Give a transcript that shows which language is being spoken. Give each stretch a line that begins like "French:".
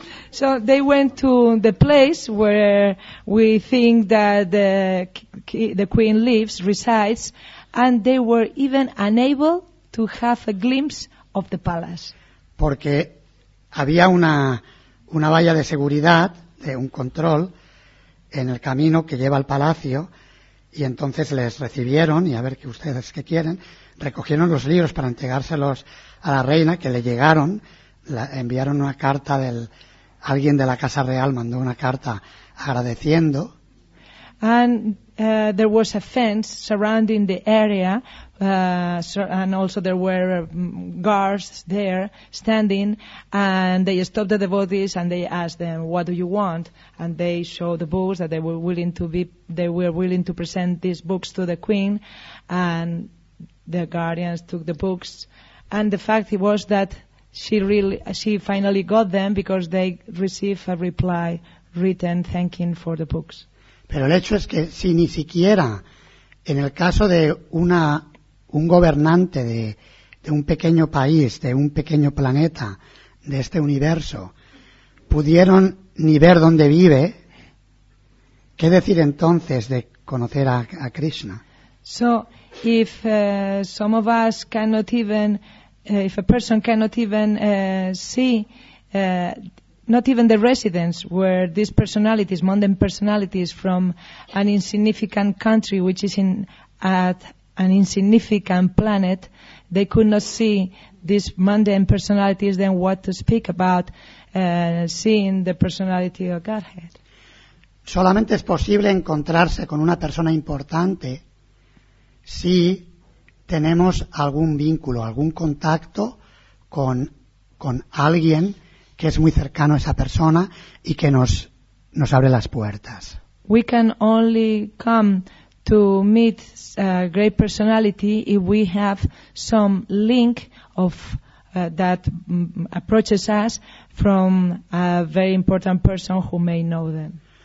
English: So they went to the place where we think that the queen lives, resides, and they were even unable to have a glimpse of the palace.
Spanish: Porque había una valla de seguridad, de un control, en el camino que lleva al palacio, y entonces les recibieron, y a ver qué ustedes qué quieren, recogieron los libros para entregárselos a la reina, que le llegaron, enviaron una carta alguien de la Casa Real mandó una carta agradeciendo.
English: And there was a fence surrounding the area, and also there were guards there standing, and they stopped the devotees and they asked them, "What do you want?" And they showed the books that they were willing to present these books to the queen, and the guardians took the books, and the fact was that she finally got them because they received a reply written thanking for the books.
Spanish: Pero el hecho es que si ni siquiera en el caso de un gobernante de un pequeño país, de un pequeño planeta, de este universo, pudieron ni ver dónde vive, ¿qué decir entonces de conocer a Krishna?
English: So, if some of us cannot even, if a person cannot even see, not even the residents where these personalities, mundane personalities from an insignificant country which is at an insignificant planet, they could not see these mundane personalities, then what to speak about seeing the personality of Godhead?
Spanish: Solamente es posible encontrarse con una persona importante si tenemos algún vínculo, algún contacto con alguien que es muy cercano a esa persona y que nos abre las puertas.
English: We can only come to meet a great personality if we have some link of that approaches us from a very important person who may know them.